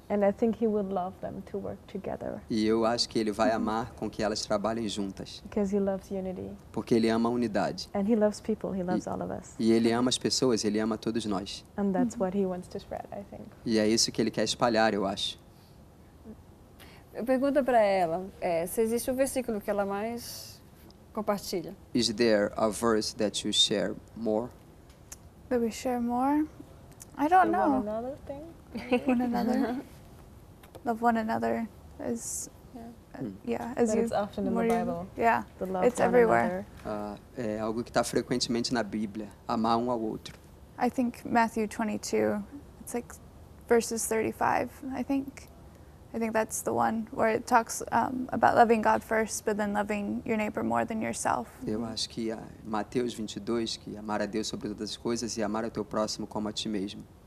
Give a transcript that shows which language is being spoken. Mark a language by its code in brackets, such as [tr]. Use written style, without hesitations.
[en] And I think he would love them to work together. [pt] E eu acho que ele vai amar com que elas trabalhem juntas. [en] Because he loves unity. [pt] Porque ele ama a unidade. [en] And he loves people, he loves all of us. [pt] E ele ama as pessoas, ele ama todos nós. [en] And that's what he wants to spread, I think. [pt] E é isso que ele quer espalhar, eu acho. Pergunta para ela, se existe um versículo que ela mais compartilha. [en] Is there a verse that you share more? That we share more? I don't know. One another thing? One another. Love one another is, it's often in the Bible. Yeah, the love it's everywhere. [pt] É algo que está frequentemente na Bíblia, amar ao outro. [en] I think Matthew 22, it's like verses 35, I think. I think that's the one where it talks about loving God first, but then loving your neighbor more than yourself. [pt] Eu acho que Mateus 22, que amar a Deus sobre todas as coisas e amar o teu próximo como a ti mesmo.